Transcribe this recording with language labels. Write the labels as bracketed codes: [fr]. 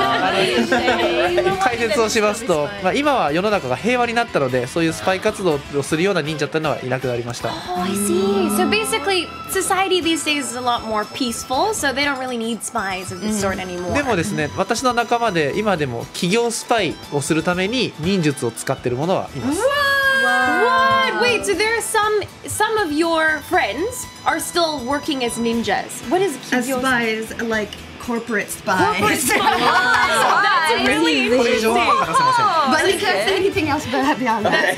[ja] 解説をしますと、まあ、今は世の中が平和になったのでそういうスパイ活動をするような忍者というのはいなくなりました。 [en] Oh, I see. So basically, society these days is a lot more peaceful, so they don't really need spies of this sort anymore. [ja] でもですね、私の仲間で今でも企業スパイをするために忍術を使っているものはいます。 [en] What? Wait, so there are some of your friends are still working as ninjas. What is kigyo spy? As spies, like... Corporate spies. That's really interesting. But you can't say anything else beyond that.